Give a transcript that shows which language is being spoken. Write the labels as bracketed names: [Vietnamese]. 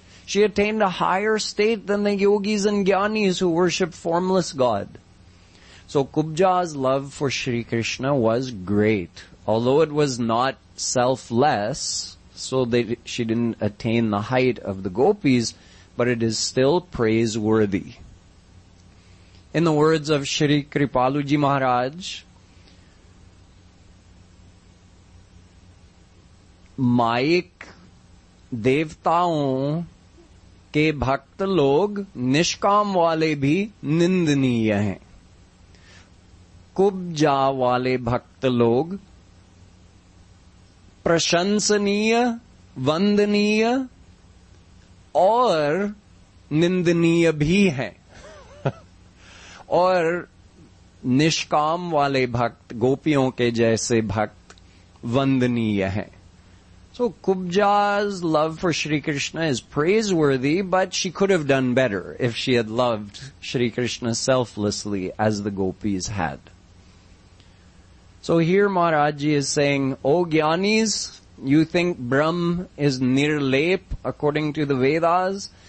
[English] She attained a higher state than the yogis and jnanis who worship formless God. So Kubja's love for Shri Krishna was great. Although it was not selfless, so that she didn't attain the height of the gopis, but it is still praiseworthy. In the words of Shri Kripaluji Maharaj, [Hindi] mic देवताओं के भक्त लोग निष्काम वाले भी निंदनीय हैं, कुब्जा वाले भक्त लोग प्रशंसनीय, वंदनीय और निंदनीय भी हैं, और निष्काम वाले भक्त गोपियों के जैसे भक्त वंदनीय हैं। [English] So Kubja's love for Shri Krishna is praiseworthy, but she could have done better if she had loved Shri Krishna selflessly as the gopis had. So here Maharaji is saying, O jnanis, you think Brahm is nirlep according to the Vedas?